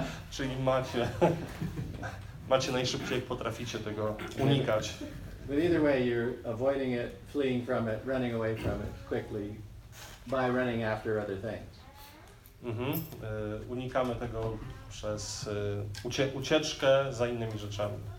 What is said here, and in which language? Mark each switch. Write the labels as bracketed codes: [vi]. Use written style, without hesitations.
[pl] Czyli macie najszybciej, jak potraficie tego unikać. [en] But either way, you're avoiding it, fleeing from it, running away from it quickly by running after other things. Mm-hmm. [pl] Unikamy tego przez ucieczkę za innymi rzeczami.